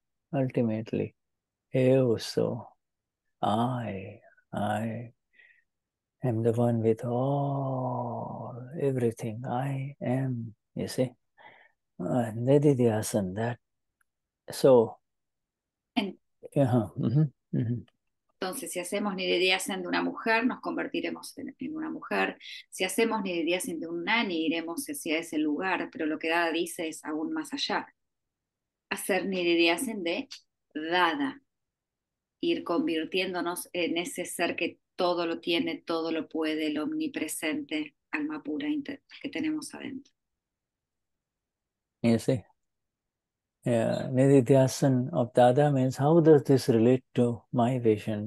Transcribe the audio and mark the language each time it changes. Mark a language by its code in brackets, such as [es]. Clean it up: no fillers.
[en] Ultimately, eu so, I am the one with all, everything, I am, you see, nididhyasana, that, so, [es] Entonces, si hacemos nididhyasana de una mujer, nos convertiremos en una mujer. Si hacemos nididhyasana de un nani, iremos hacia ese lugar, pero lo que Dada dice es aún más allá. Hacer nididhyasana de Dada, ir convirtiéndonos en ese ser que todo lo tiene, todo lo puede, el omnipresente, alma pura que tenemos adentro. [en] You see, nididhyasana of Dada means how does this relate to my vision?